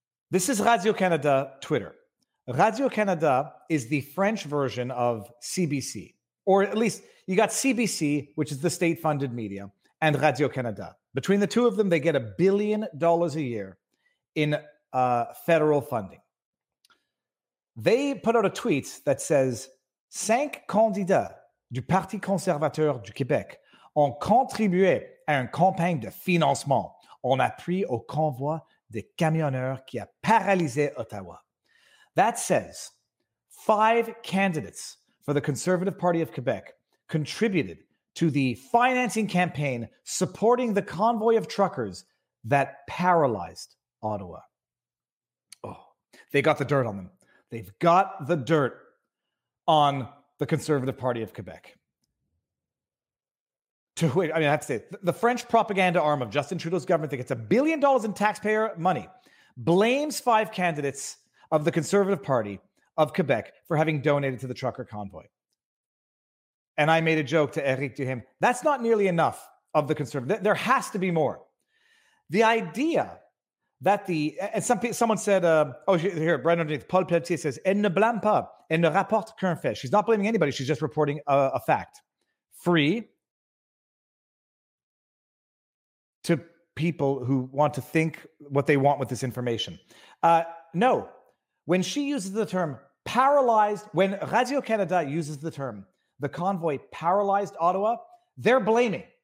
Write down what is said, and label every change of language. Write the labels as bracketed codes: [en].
[en] This is Radio-Canada Twitter. Radio-Canada is the French version of CBC, or at least you got CBC, which is the state-funded media, and Radio-Canada. Between the two of them, they get $1 billion a year in federal funding. [fr] They put out a tweet that says, cinq candidats du Parti conservateur du Québec ont contribué à une campagne de financement en appui au convoi des camionneurs qui a paralysé Ottawa. [en] That says, five candidates for the Conservative Party of Quebec contributed to the financing campaign supporting the convoy of truckers that paralyzed Ottawa. Oh, they got the dirt on them. They've got the dirt on the Conservative Party of Quebec. To which, I mean, I have to say, the French propaganda arm of Justin Trudeau's government that gets $1 billion in taxpayer money blames five candidates of the Conservative Party of Quebec for having donated to the trucker convoy. And I made a joke to Éric Duhaime. That's not nearly enough of the Conservative. There has to be more. The idea that the... And someone said... here, right underneath. [fr] Paul Pelletier says, elle ne blâme pas, elle ne rapporte qu'un fait. [en] She's not blaming anybody. She's just reporting a fact. Free to people who want to think what they want with this information. No. When she uses the term paralyzed, when Radio-Canada uses the term the convoy paralyzed Ottawa, they're blaming.